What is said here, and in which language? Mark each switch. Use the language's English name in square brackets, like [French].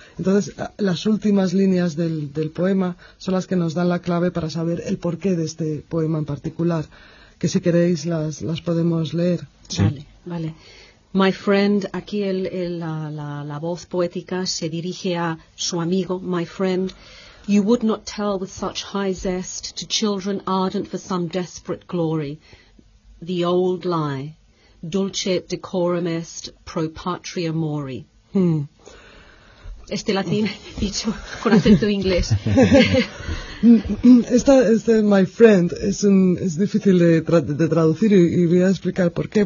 [Spanish] Entonces, las últimas líneas del poema son las que nos dan la clave para saber el porqué de este poema en particular, que si queréis las podemos leer. Sí. Vale. [English] My friend, [Spanish] aquí la voz poética se dirige a su amigo, [English] my friend. You would not tell with such high zest to children ardent for some desperate glory the old lie. [Latin] Dulce decorum est pro patria mori. [Spanish] Este latín dicho con acento inglés. Este my friend es difícil de traducir y voy a explicar por qué.